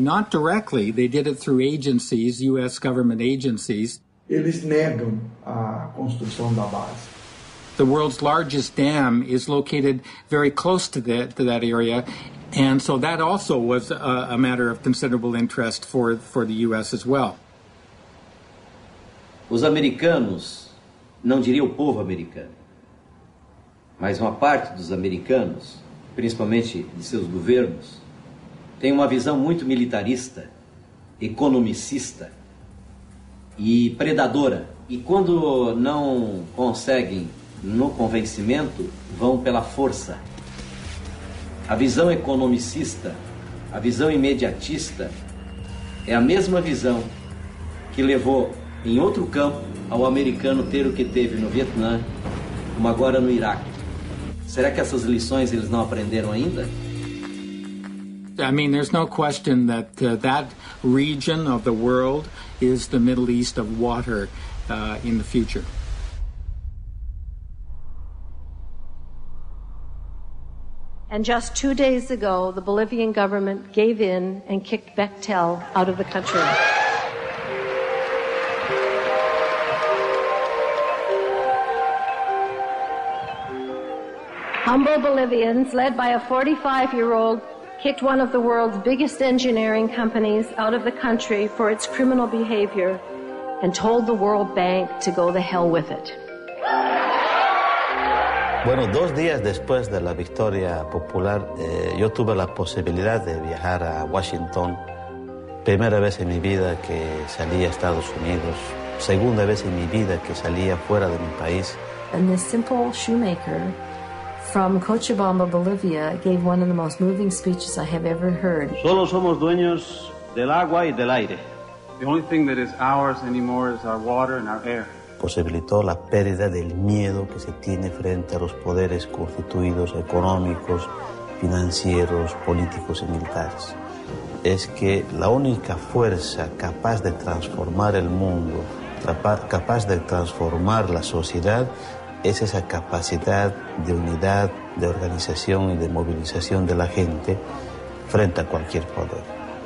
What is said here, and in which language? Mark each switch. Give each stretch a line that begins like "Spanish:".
English: Not directly. They did it through agencies, U.S. government agencies.
Portuguese: Eles negam a construção da base.
English: The world's largest dam is located very close to that area, and so that also was a matter of considerable interest for the U.S. as well.
Portuguese: Os americanos, não diria o povo americano, mas uma parte dos americanos, principalmente de seus governos, tem uma visão muito militarista, economicista e predadora. E quando não conseguem no convencimento, vão pela força. A visão economicista, a visão imediatista, é a mesma visão que levou, em outro campo, ao americano ter o que teve no Vietnã, como agora no Iraque. Será que essas lições eles não aprenderam ainda?
English: I mean, there's no question that that region of the world is the Middle East of water in the future. And just 2 days ago, the Bolivian government gave in and kicked Bechtel out of the country. Humble Bolivians, led by a 45-year-old, kicked one of the world's biggest engineering companies out of the country for its criminal behavior and told the World Bank to go the hell with it.
Spanish: Bueno, dos días después de la victoria popular, yo tuve la posibilidad de viajar a Washington. Primera vez en mi vida que salía a Estados Unidos. Segunda vez en mi vida que salía fuera de mi país.
English: And this simple shoemaker from Cochabamba, Bolivia, gave one of the most moving speeches I have ever heard.
Spanish: Solo somos dueños del agua y del aire.
English: The only thing that is ours anymore is our water and our air.
Spanish: Posibilitó la pérdida del miedo que se tiene frente a los poderes constituidos económicos, financieros, políticos y militares. Es que la única fuerza capaz de transformar el mundo, capaz de transformar la sociedad, es esa capacidad de unidad, de organización y de movilización de la gente frente a cualquier poder.